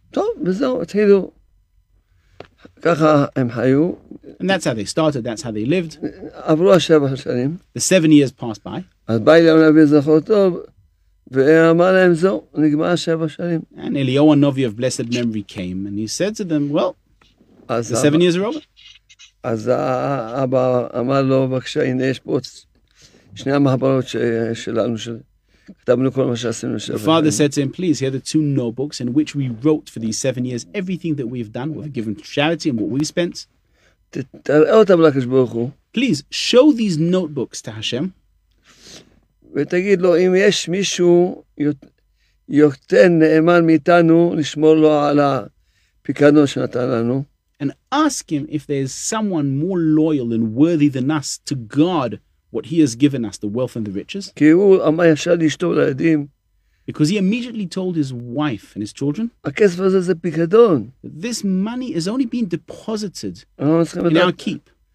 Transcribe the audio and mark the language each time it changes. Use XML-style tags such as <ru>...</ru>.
<en>And that's how they started. That's how they lived. The 7 years passed by. And Eliyahu Novi of blessed memory came and he said to them, well, the 7 years are over.</en> <he>אז אבא אמר לו, בבקשה, הנה יש פה שני המעברות שלנו, שכתבנו כל מה שעשינו.</he> <en>The father said to him, please, here are the two notebooks in which we wrote for these 7 years, everything that we've done, we've given to charity and what we've spent.</en> <he>תראה אותם לקדוש ברוך הוא.</he> <en>Please, show these notebooks to Hashem.</en> <he>ותגיד לו, אם יש מישהו יותר נאמן מאיתנו, לשמור לו על הפיקדון שנתן לנו.</he> <en>And ask him if there is someone more loyal and worthy than us to guard what he has given us, the wealth and the riches. Because he immediately told his wife and his children, this money is only being deposited in our keep.</en>